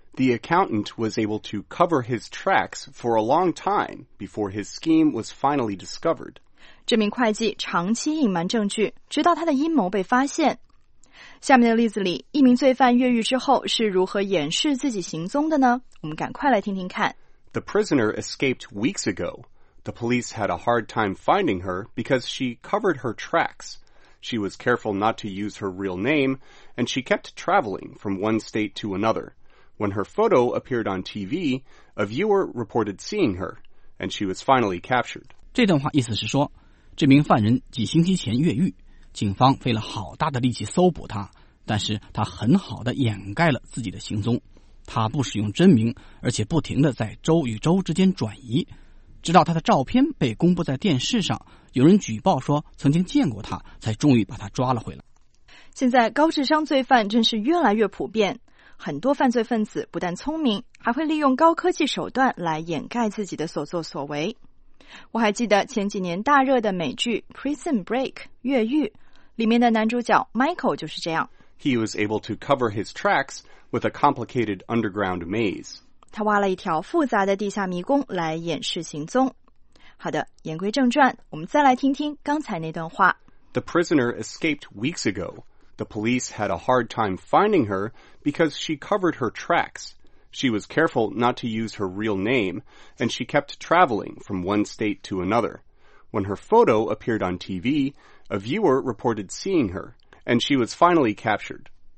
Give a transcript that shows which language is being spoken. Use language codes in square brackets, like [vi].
[en] The accountant was able to cover his tracks for a long time before his scheme was finally discovered. [zh] 这名会计长期隐瞒证据，直到他的阴谋被发现。下面的例子里，一名罪犯越狱之后是如何掩饰自己行踪的呢？我们赶快来听听看。 [en] The prisoner escaped weeks ago. The police had a hard time finding her because she covered her tracks. She was careful not to use her real name, and she kept traveling from one state to another. When her photo appeared on TV, a viewer reported seeing her, and she was finally captured. [zh] 这段话意思是说，这名犯人几星期前越狱，警方费了好大的力气搜捕他，但是他很好地掩盖了自己的行踪。他不使用真名，而且不停地在州与州之间转移，直到他的照片被公布在电视上，有人举报说曾经见过他，才终于把他抓了回来。现在高智商罪犯真是越来越普遍。很多犯罪分子不但聪明，还会利用高科技手段来掩盖自己的所作所为。我还记得前几年大热的美剧《Prison Break》（越狱）里面的男主角 Michael 就是这样。 [en] He was able to cover his tracks with a complicated underground maze. [zh] 他挖了一条复杂的地下迷宫来掩饰行踪。好的，言归正传，我们再来听听刚才那段话。 [en] The prisoner escaped weeks ago. The police had a hard time finding her because she covered her tracks. She was careful not to use her real name, and she kept traveling from one state to another. When her photo appeared on TV, a viewer reported seeing her, and she was finally captured.